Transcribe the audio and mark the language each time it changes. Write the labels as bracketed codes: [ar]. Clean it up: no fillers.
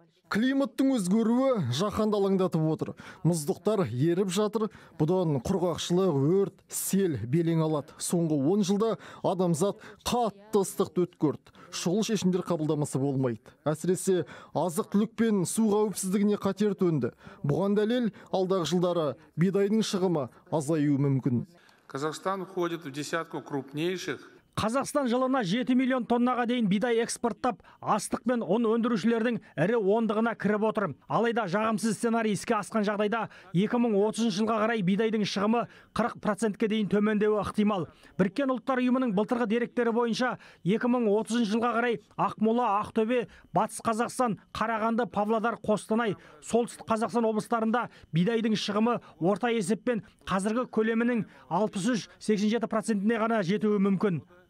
[kk] Климаттың өзгеруі жаһанды алаңдатып отыр. Мұздықтар еріп жатыр, бұдан құрғақшылық, өрт, сел белең алады. Соңғы 10 жылда адамзат қатты ыстықты өткерді. Шұғыл шешімдер қабылдамасы болмайды. Әсіресе азық-түлік пен су қауіпсіздігіне қатер төнді. Бұған дәлел алдағы жылдары бидайдың шығымы азаюы мүмкін. [ru] Қазақстан входит в десятку крупнейших. [kk] Қазақстан жылына 7 миллион тоннаға дейін бидай экспорттап, астық пен ұн өндірушілердің ірі ондығына кіріп отыр. Алайда жағымсыз сценарий іске асқан жағдайда 2030 жылға қарай бидайдың шығымы 40%-ке дейін төмендеуі ықтимал. Біріккен ұлттар ұйымының былтырғы деректері бойынша 2030 жылға қарай Ақмола, Ақтөбе, Батыс Қазақстан, Қарағанды, Павлодар, Қостанай, Солтүстік Қазақстан облыстарында бидайдың шығымы орта есеппен қазіргі көлемінің 63-87%-ке ғана жетуі мүмкін.